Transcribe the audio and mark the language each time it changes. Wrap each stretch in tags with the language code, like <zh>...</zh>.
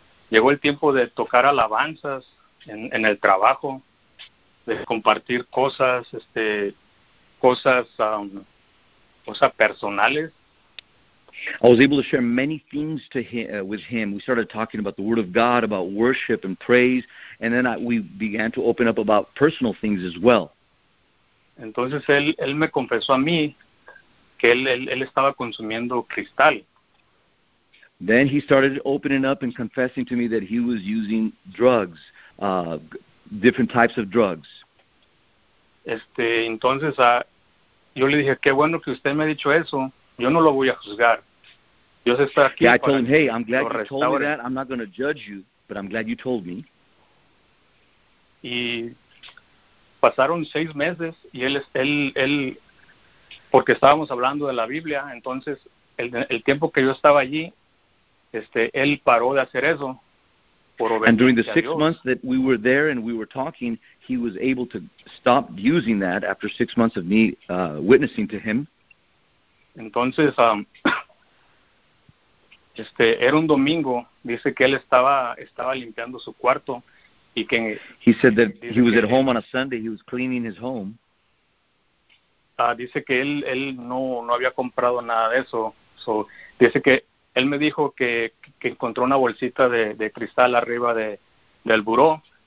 <es>Llegó el tiempo de tocar alabanzas en el trabajo, de compartir cosas, cosas personales.</es> <en>I was able to share many things to him, with him. We started talking about the Word of God, about worship and praise, and then we began to open up about personal things as well.</en> <es>Entonces él me confesó a mí que él estaba consumiendo cristal.</es> <en>Then he started opening up and confessing to me that he was using drugs, different types of drugs.</en> <es>Entonces yo le dije, qué bueno que usted me ha dicho eso. Yo no lo voy a juzgar. Dios está aquí.</es> <en>Yeah, I told him, hey, I'm glad you told me that. I'm not going to judge you, but I'm glad you told me.</en> <es>Y pasaron 6 meses y él porque estábamos hablando de la Biblia, entonces el tiempo que yo estaba allí, él paró de hacer eso por obediencia.</es> <en>And during the 6 months that we were there and we were talking, he was able to stop using that after 6 months of me witnessing to him.</en> <es>Entonces era un domingo, dice que él estaba limpiando su cuarto.</es> <en>He said that he was at home on a Sunday. He was cleaning his home.</en> <es>Dice que él no había comprado nada de eso. So, dice que él me dijo que encontró una bolsita de cristal arriba del buró.</es>